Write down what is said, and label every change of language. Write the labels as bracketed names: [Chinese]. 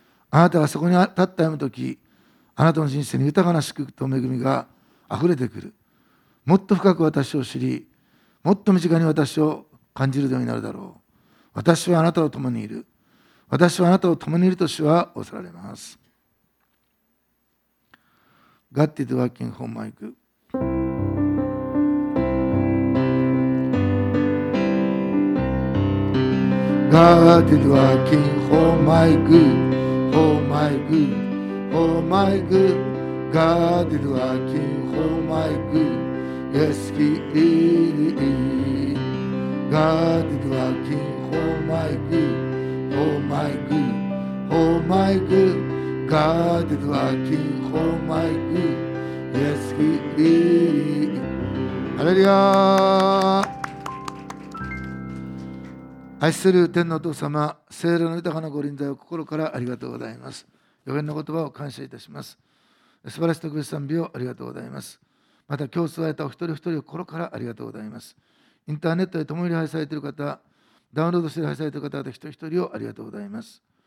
[Japanese] あなたがそこに立った歩むとき、あなたの人生に豊かな祝福と恵みが溢れてくる。もっと深く私を知り、もっと身近に私を感じるようになるだろう。私はあなたと共にいる。私はあなたと共にいると主は仰せられます。 [English] God is working for my good. God is working for my good, for my good, for my good. God is working for my good, yes He is. God is working for my good, for my good, for my good. God is working for my good, yes He is. Hallelujah. [Japanese] 愛する天のお父様、聖霊の豊かなご臨在を心からありがとうございます。予言の言葉を感謝いたします。素晴らしい特別賛美をありがとうございます。また今日座れたお一人一人を心からありがとうございます。インターネットで共に礼拝されている方、ダウンロードして礼拝されている方々、一人一人をありがとうございます。